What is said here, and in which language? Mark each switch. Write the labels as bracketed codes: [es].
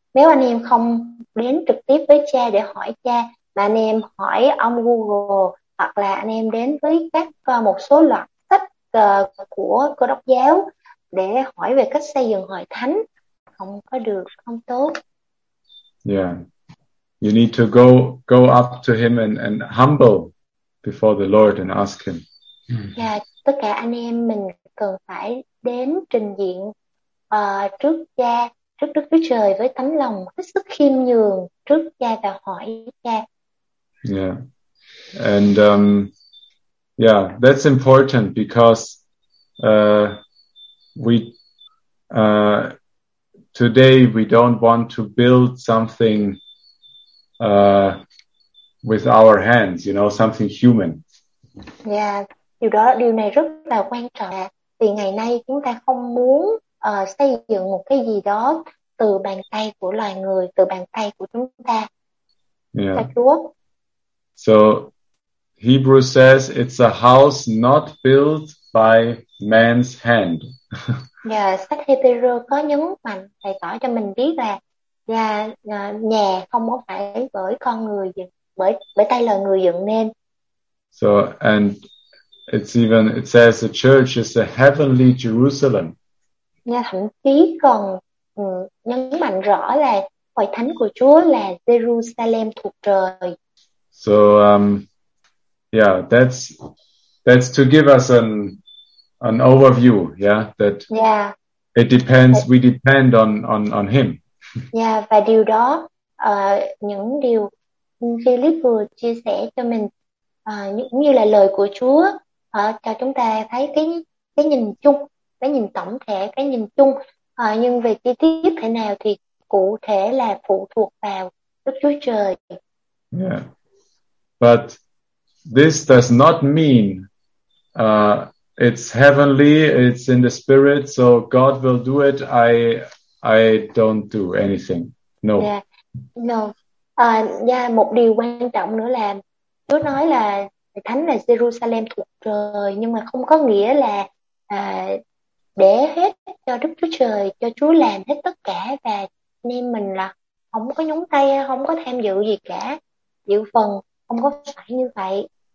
[vi] Nếu anh em không đến trực tiếp với Cha để hỏi Cha, mà anh em hỏi ông Google, hoặc là anh em đến với các một số loạt sách của Cơ Đốc giáo để hỏi về cách xây dựng hội thánh, không có được, không tốt. [en] Yeah. You need to go up to him and humble before the Lord and ask him. [vi] Yeah, tất cả anh em mình cần phải đến trình diện trước Cha, trước Đức Chúa Trời với tấm lòng hết sức khiêm nhường trước Cha và hỏi Cha. [en] Yeah. And yeah, that's important because today we don't want to build something with our hands, you know, something human. [vi] Yeah, điều này rất là quan trọng. Vì ngày nay chúng ta không muốn xây dựng một cái gì đó từ bàn tay của loài người, từ bàn tay của chúng ta. [en] Yeah. So Hebrew says it's a house not built by man's hand. [vi] Yeah, sách Hebrew có nhấn mạnh bày tỏ cho mình biết là nhà không có phải bởi con người dựng, bởi tay loài người dựng nên. [en] So and it says the church is the heavenly Jerusalem. [vi] Yeah, thậm chí còn nhấn mạnh rõ là hội thánh của Chúa là Jerusalem thuộc trời. [en] So that's to give us an overview, yeah, that yeah. It depends, we depend on him. [vi] Yeah, và điều đó những điều Philip vừa chia sẻ cho mình cũng như là lời của Chúa cho chúng ta thấy cái nhìn chung, cái nhìn tổng thể, cái nhìn chung, nhưng về chi tiết thế nào thì cụ thể là phụ thuộc vào Đức Chúa Trời. [en] Yeah. But this does not mean it's heavenly, it's in the spirit, so God will do it. I don't do anything. No. Yeah. No. [vi] Một điều quan trọng nữa là Chúa nói là thánh là Jerusalem thuộc trời, nhưng mà không có nghĩa là để hết cho Đức Chúa Trời, cho Chúa làm hết tất cả, và nên mình là không có nhúng tay, không có tham dự gì cả, dự phần không có phải như vậy.